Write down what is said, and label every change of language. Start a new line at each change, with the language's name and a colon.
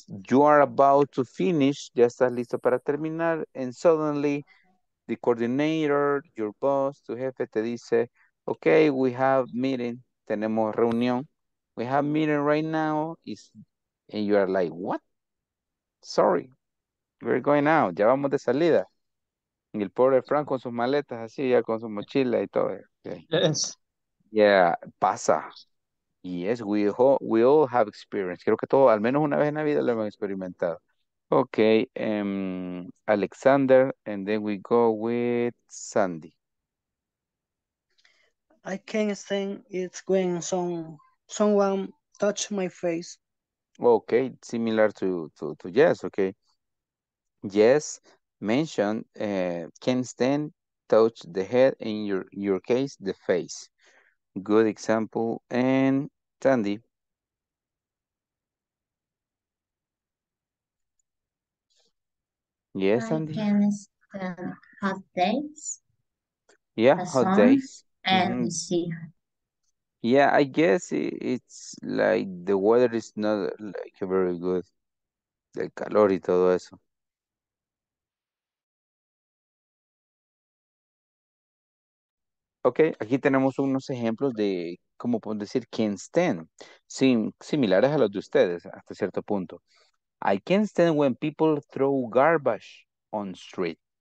English: You are about to finish,
Spanish: ya estás listo para terminar,
English: and suddenly the coordinator, your boss,
Spanish: tu jefe te dice,
English: okay, we have meeting,
Spanish: tenemos reunión,
English: we have meeting right now, and you are like, what? Sorry, we're going out,
Spanish: ya vamos de salida. Y el pobre Frank con sus maletas así, ya con su mochila y todo.
English: Okay. Yes. Yeah, pasa. Yes, we all have experience.
Spanish: Creo que todo, al menos una vez en la vida lo hemos experimentado.
English: Okay, Alexander, and then we go with Sandy. I can't stand it when someone touch my face. Okay, similar to yes. Okay, yes mentioned can't stand touch the head, in your case the face. Good example. And Sandy. Yes, Sandy. I can stand hot days. Yeah, hot days. And mm-hmm. See. Yeah, I guess it's like the weather is not like very good.
Spanish: El calor y todo eso. Okay, aquí tenemos unos ejemplos de cómo pueden decir can't stand, similares a los de ustedes hasta cierto punto.
English: I can't stand when people throw garbage on street.